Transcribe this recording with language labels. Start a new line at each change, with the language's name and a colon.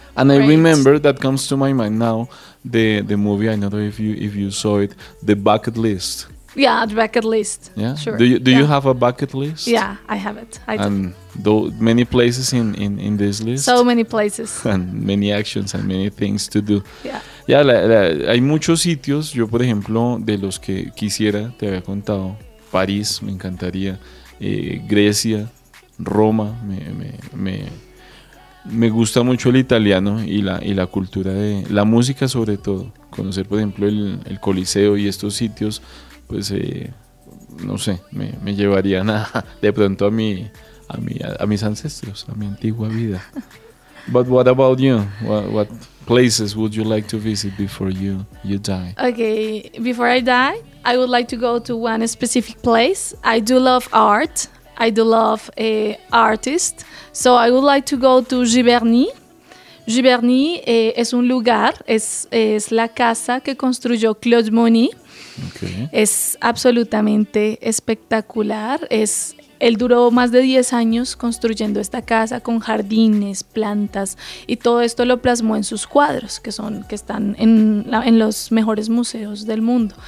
English: And great. I remember, that comes to my mind now, the movie, I don't know if you saw it, The Bucket List. Yeah, the bucket list. Yeah, sure. Do you have a bucket list? Yeah, I have it. I do. And many places in this list. So many places. And many actions and many things to do. Yeah.
Spanish: Yeah, hay muchos sitios. Yo, por ejemplo, de los que quisiera, te había contado, París, me encantaría. Grecia, Roma, me gusta mucho el italiano y la cultura de la música, sobre todo. Conocer, por ejemplo, el Coliseo y estos sitios. Pues no sé, me llevarían de pronto a mis ancestros, a mi antigua vida.
English: But what about you? What places would you like to visit before you die? Okay, before I die, I would like to go to one specific place. I do love art. I do love artists. So I would like to go to Giverny.
Spanish: Giverny es un lugar, es la casa que construyó Claude Monet.
English: Okay.
Spanish: Es absolutamente espectacular. Él duró más de 10 años construyendo esta casa con jardines, plantas, y todo esto lo plasmó en sus cuadros, que están en los mejores museos del mundo.